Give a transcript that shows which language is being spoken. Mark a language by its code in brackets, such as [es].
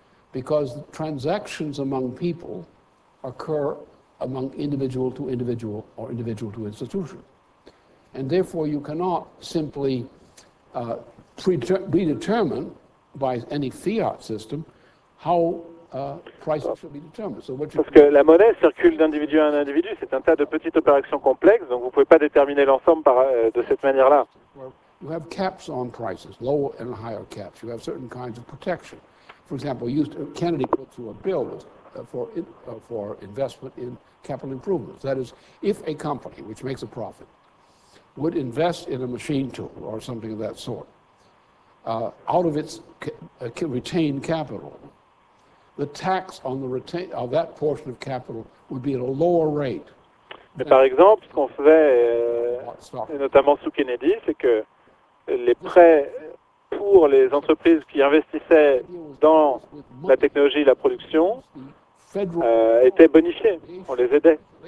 [en] Because the transactions among people occur among individual to individual or individual to institution. And therefore you cannot simply predetermine by any fiat system how prices should be determined. So what you [fr] Parce que la monnaie circule d'individu à individu, c'est un tas de petites opérations complexes, donc vous ne pouvez pas déterminer l'ensemble par, de cette manière-là. [en] You have caps on prices, lower and higher caps. You have certain kinds of protection. For example, Kennedy put through a bill that for investment in capital improvements. That is, if a company which makes a profit would invest in a machine tool or something of that sort, out of its retained capital, the tax on the of that portion of capital would be at a lower rate. [fr] Mais par exemple, ce qu'on faisait, notamment sous Kennedy, c'est que les prêts pour les entreprises qui investissaient dans la technologie et la production étaient bonifiés, on les aidait.